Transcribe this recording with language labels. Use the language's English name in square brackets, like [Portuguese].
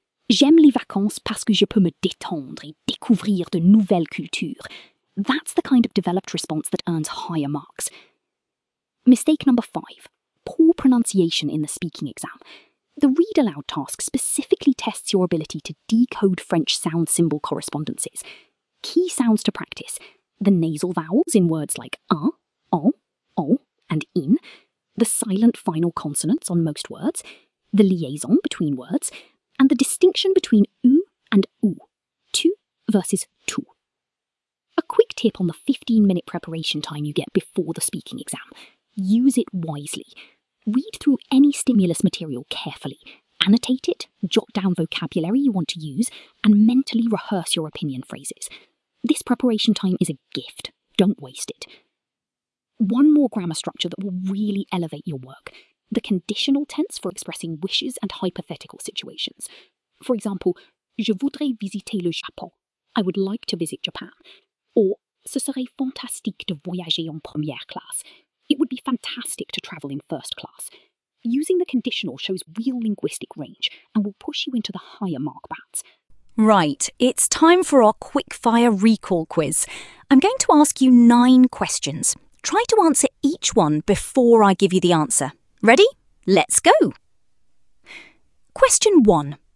[French] J'aime les vacances parce que je peux me détendre et découvrir de nouvelles cultures. [English] That's the kind of developed response that earns higher marks. Mistake number five, poor pronunciation in the speaking exam. The read aloud task specifically tests your ability to decode French sound symbol correspondences. Key sounds to practice, the nasal vowels in words like un, en, en, and in, the silent final consonants on most words, the liaison between words, and the distinction between ou and ou, tu versus tu. A quick tip on the 15-minute preparation time you get before the speaking exam. Use it wisely. Read through any stimulus material carefully. Annotate it, jot down vocabulary you want to use, and mentally rehearse your opinion phrases. This preparation time is a gift. Don't waste it. One more grammar structure that will really elevate your work. The conditional tense for expressing wishes and hypothetical situations. For example, [French] je voudrais visiter le Japon. [English] I would like to visit Japan. [French] Or, ce serait fantastique de voyager en première classe. [English] It would be fantastic to travel in first class. Using the conditional shows real linguistic range and will push you into the higher mark bands. Right, it's time for our quickfire recall quiz. I'm going to ask you 9 questions. Try to answer each one before I give you the answer. Ready? Let's go! Question 1.